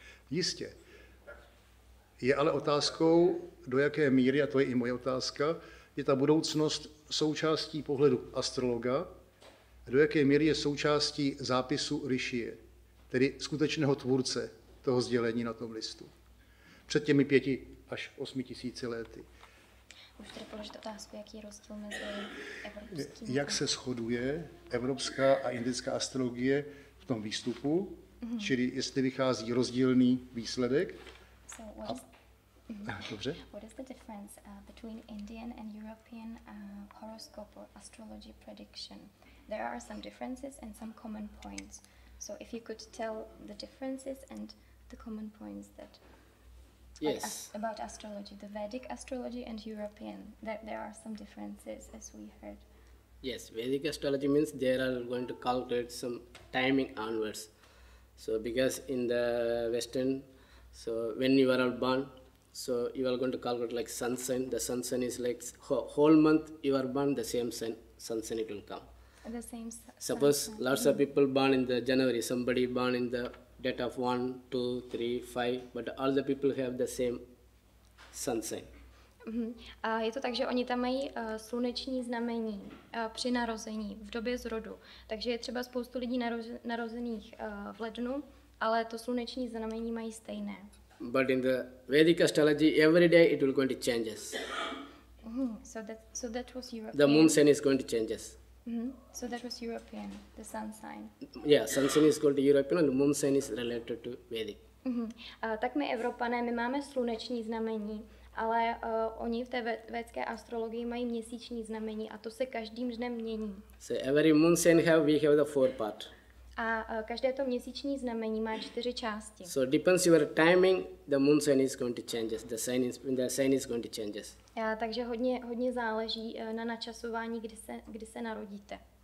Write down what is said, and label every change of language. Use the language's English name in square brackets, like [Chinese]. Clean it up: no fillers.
[Czech] Jistě. Je ale otázkou, do jaké míry, a to je i moje otázka, je ta budoucnost součástí pohledu astrologa, do jaké míry je součástí zápisu Rishie, tedy skutečného tvůrce toho sdělení na tom listu, před těmi 5 až 8 tisíci lety. Už tady položit otázku, jaký je rozdíl mezi evropským... Jak se shoduje evropská a indická astrologie v tom výstupu, čili jestli vychází rozdílný výsledek. [English] So what is, [Czech] dobře. [English] What is the difference between Indian and European horoscope or astrology prediction? there are some differences and some common points. So if you could tell the differences and the common points that yes. About astrology, the Vedic astrology and European, that there are some differences as we heard. Yes, Vedic astrology means they are going to calculate some timing onwards. So because in the Western, so when you are born, so you are going to calculate like sun sign. The sun sign is like whole month you are born, the same sun sign it will come. The same suppose sun lots sun. Of people born in the January, somebody born in the date of 1, 2, 3, 5, but all the people have the same sun sign. Mm-hmm. [Czech] A je to tak, že oni tam mají sluneční znamení při narození, v době zrodu. Takže je třeba spoustu lidí narozených v lednu, ale to sluneční znamení mají stejné. But in the Vedic astrology, every day it will going to changes. [English] Mm-hmm. So that was European. The moon sign is going to changes. Mm-hmm. So that was European, the sun sign. Yeah, sun sign is called European and moon sign is related to Vedic. Mm-hmm. [Czech] Tak my Evropané, my máme sluneční znamení, ale oni v té védské astrologii mají měsíční znamení a to se každým dnem mění. [English] So every moon sign we have the four part. [Czech] A každé to měsíční znamení má čtyři části. [English] So depends your timing, the moon sign is going to changes, the sign is going to changes. [Czech] Yeah, takže hodně záleží na načasování, kdy se narodíte.